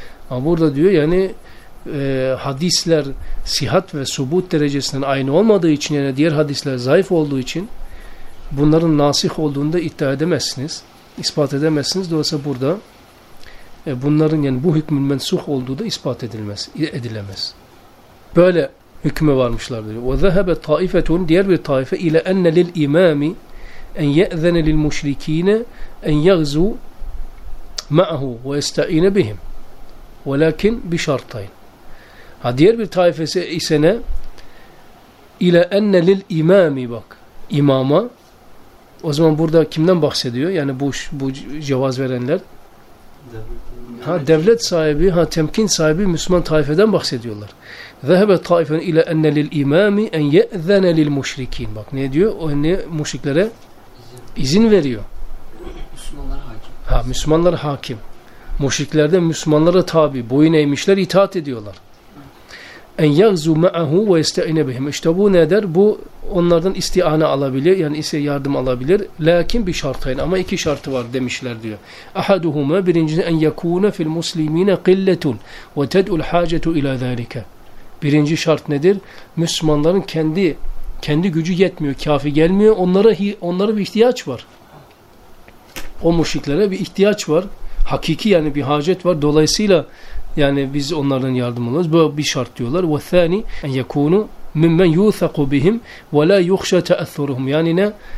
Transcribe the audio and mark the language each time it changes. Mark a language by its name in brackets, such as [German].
[Turkish] Ama burada diyor yani hadisler sihat ve subut derecesinden aynı olmadığı için, yani diğer hadisler zayıf olduğu için bunların nasih olduğunu da iddia edemezsiniz. İspat edemezsiniz. Dolayısıyla burada bunların, yani bu hükmün mensuh olduğu da ispat edilmez, edilemez. Böyle hükme varmışlar diyor. [Arabic] وَذَهَبَ طَائِفَةٌ [Turkish] diğer bir taife [Arabic] اِلَا اَنَّ لِلْاِمَامِ اَنْ يَأْذَنَ لِلْمُشْرِك۪ينَ اَنْ يَغْزُوا مَعَهُ وَاَسْتَعِينَ بِهِمْ وَلَكِنْ بِشَرْطَيْنْ. [Turkish] Ha, diğer bir taifesi ise ne? [Arabic] اِلَا اَنَّ لِلْاِمَامِ [Turkish] bak, imama. O zaman burada kimden bahsediyor? Yani bu cevaz verenler. Ha, devlet sahibi, ha temkin sahibi Müslüman taifeden bahsediyorlar. [Arabic] ذَهَبَ طَائِفًا اِلَا اَنَّ لِلْاِمَامِ اَنْ يَأْذَنَ لِلْمُشْرِك۪ينَ. [Turkish] Bak ne diyor? O ne müşriklere izin veriyor. Müslümanlara hakim. Ha, Müslümanlara hakim. Müşrikler de Müslümanlara tabi, boyun eğmişler, itaat ediyorlar. [Arabic] اَنْ يَغْزُوا مَعَهُ وَاَسْتَعِنَ بِهِمْ. [Turkish] İşte bu ne der? Bu onlardan istiane alabilir, yani ise yardım alabilir. [Arabic] لَاكِنْ بِشَرْطَيْنَ. [Turkish] Ama iki şartı var demişler diyor. [Arabic] اَحَدُهُمَا [Turkish] birincisi [Arabic] اَنْ يَكُونَ فِي الْمُسْلِم۪ينَ قِلَّةٌ وَتَدْعُ الْحَاجَةُ اِلَى ذَٰلِكَ. [Turkish] Birinci şart nedir? Müslümanların kendi gücü yetmiyor, kafi gelmiyor. Onlara bir ihtiyaç var. O müşriklere bir ihtiyaç var. Hakiki, yani bir hacet var. Dolayısıyla yani biz onlardan yardım alıyoruz. Bu bir şart diyorlar. [Arabic] وَثَانِ اَنْ يَكُونُ مِمَّنْ يُوْثَقُ بِهِمْ وَلَا يُخْشَ تَأَثُّرُهُمْ. [Turkish] Yani ne?